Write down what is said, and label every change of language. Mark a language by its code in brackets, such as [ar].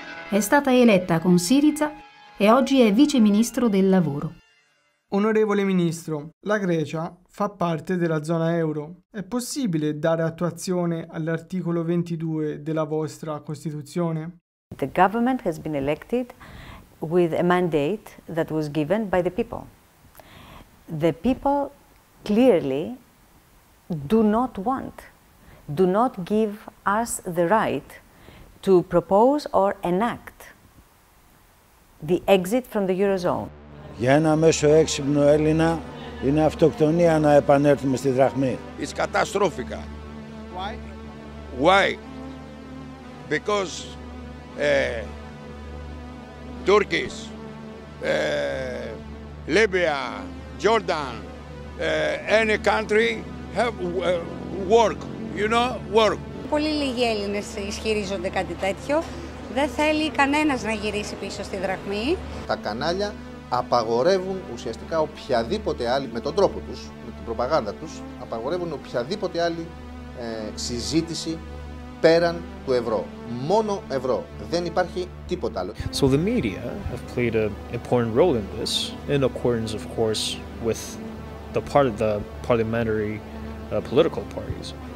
[it] È stata eletta con Syriza e oggi è vice ministro del lavoro. Onorevole ministro, la Grecia fa parte della zona euro. È possibile dare attuazione all'articolo 22 della vostra Costituzione? [en] The government has been elected with a mandate that was given by the people. The people clearly do not give us the right to propose or enact the exit from the Eurozone. [el] Για ένα μέσο έξυπνο Έλληνα Είναι αυτοκτονία να επανέλθουμε στη δραχμή. [en] It's catastrophic. Why? Why? Because Turkish, Libya, Jordan, any country have work, you know, work. [el] Πολύ λίγοι Έλληνες ισχυρίζονται κάτι τέτοιο. Δεν θέλει κανένας να γυρίσει πίσω στη δραχμή. Τα κανάλια απαγορεύουν ουσιαστικά οποιαδήποτε άλλη, με τον τρόπο τους, με την προπαγάνδα τους, απαγορεύουν οποιαδήποτε άλλη συζήτηση πέραν του ευρώ. Μόνο ευρώ. Δεν υπάρχει τίποτα άλλο. [en] So the media have played an important role in this, in accordance, of course, with the parliamentary political parties.